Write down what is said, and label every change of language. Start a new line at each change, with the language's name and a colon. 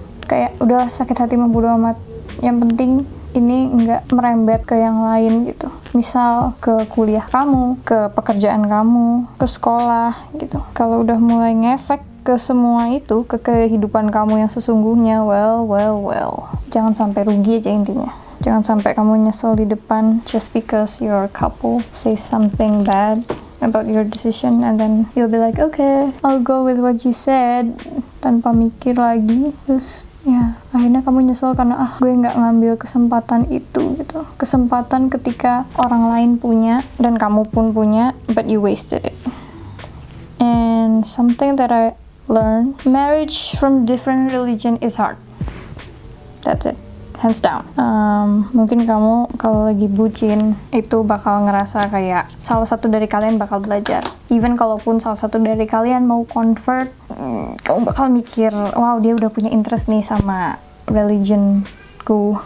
Indonesian: kayak udah sakit hati membodo amat, yang penting ini nggak merembet ke yang lain gitu. Misal ke kuliah kamu, ke pekerjaan kamu, ke sekolah gitu. Kalau udah mulai ngefek ke semua itu, ke kehidupan kamu yang sesungguhnya, well. Jangan sampai rugi aja intinya. Jangan sampai kamu nyesel di depan
English: just because your couple say something bad about your decision, and then you'll be like, okay, I'll go with what you said,
Indonesian: tanpa mikir lagi. Terus ya, akhirnya kamu nyesel karena gue gak ngambil kesempatan itu gitu. Kesempatan ketika orang lain punya dan kamu pun punya,
English: but you wasted it. And something that I learned, marriage from different religion is hard. That's it, hands down.
Indonesian: Mungkin kamu kalau lagi bucin itu bakal ngerasa kayak salah satu dari kalian bakal belajar. Even kalaupun salah satu dari kalian mau convert, kamu bakal mikir, wow, dia udah punya interest nih sama religionku.